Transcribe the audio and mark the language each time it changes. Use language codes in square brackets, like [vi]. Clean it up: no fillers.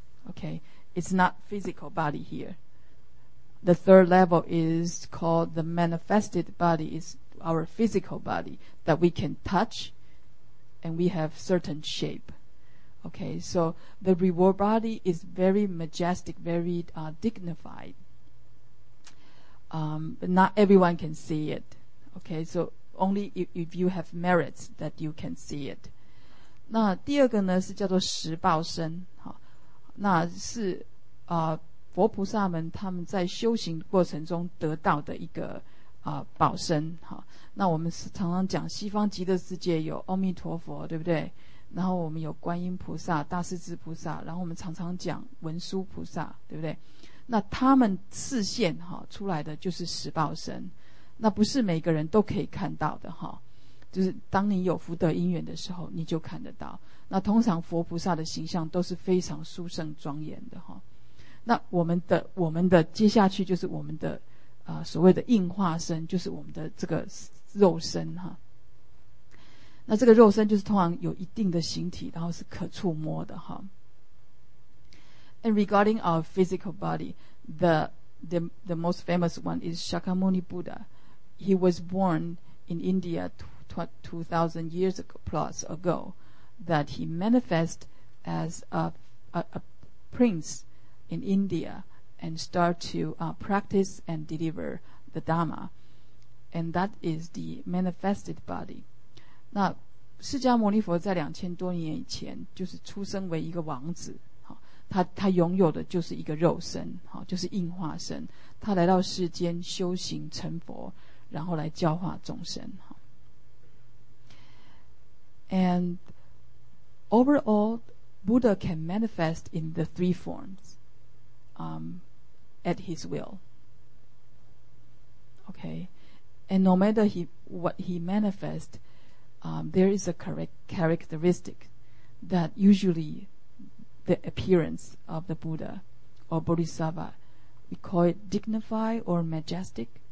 [en] Okay, it's not physical body here. The third level is called the manifested body, is our physical body that we can touch and we have certain shape. Okay, so the reward body is very majestic, very dignified. But not everyone can see it. Okay, so only if you have merits that you can see it. [zh] 那第二个呢是叫做十报身，那是佛菩萨们他们在修行过程中得到的一个报身。那我们常常讲西方极乐世界有阿弥陀佛，对不对？然后我们有观音菩萨、大势至菩萨，然后我们常常讲文殊菩萨，对不对？那他们示现出来的就是十报身，那不是每个人都可以看到的，就是当你有福德因缘的时候你就看得到。那通常佛菩萨的形象都是非常殊胜庄严的。那我们的接下去就是我们的所谓的应化身，就是我们的这个肉身哈。那这个肉身就是通常有一定的形体，然后是可触摸的哈。 [en] And regarding our physical body, the most famous one is Shakyamuni Buddha. He was born in India 2000 years ago, plus ago, that he manifest as a a prince in India and start to practice and deliver the Dharma. And that is the manifested body. [zh] 那释迦牟尼佛在两千多年以前就是出生为一个王子，他拥有的就是一个肉身，就是应化身。他来到世间修行成佛，然后来教化众生。 [en] And overall, Buddha can manifest in the three forms at his will. Okay, and no matter what he manifests, there is a characteristic that usually the appearance of the Buddha or Bodhisattva, we call it dignified or majestic.